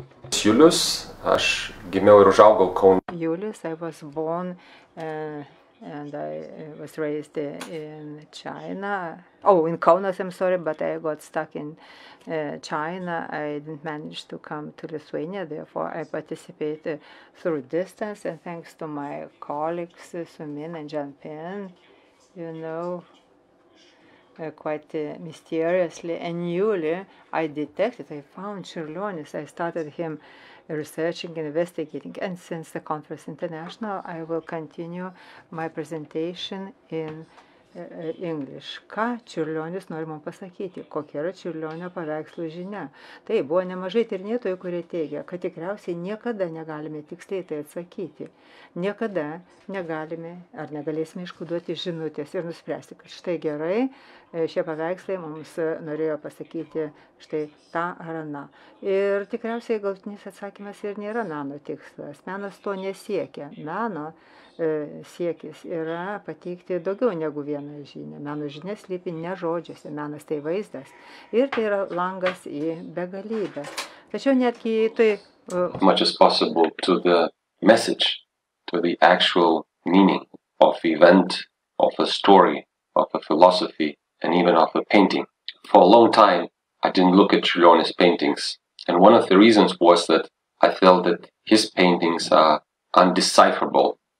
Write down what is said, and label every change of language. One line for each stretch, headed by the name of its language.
Lithuanian: Julius, aš gimiau ir užaugau Kaune.
English: Julius, I was born and I was raised in China. Oh, in Kaunas, I'm sorry, but I got stuck in China. I didn't manage to come to Lithuania, therefore I participate through distance, and thanks to my colleagues, Sumin and Jan Pin, you know, quite mysteriously and newly, I found Čiurlionis. I started him researching, investigating, and since the conference international, I will continue my presentation in English.
Lithuanian: Ką Čiurlionis nori man pasakyti? Kokia yra Čiurlionio paveikslo žinia? Tai buvo nemažai tyrinėtojų, kurie teigia, kad tikriausiai niekada negalime tiksliai tai atsakyti. Niekada negalime ar negalėsime iškoduoti žinutės ir nuspręsti, kad štai gerai, šie paveikslai mums norėjo pasakyti štai tą ar aną. Ir tikriausiai galutinis atsakymas ir nėra meno tikslas. Menas to nesiekia. Meno siekis yra pateikti daugiau negu vieną žinią. Meno žinia slypi ne žodžiuose, menas tai vaizdas. Ir tai yra langas į begalybę. Tačiau netgi tai...
English: As much as possible to the message, to the actual meaning of event, of a story, of a philosophy, and even of a painting. For a long time, I didn't look at Čiurlionis' paintings. And one of the reasons was that I felt that his paintings are undecipherable.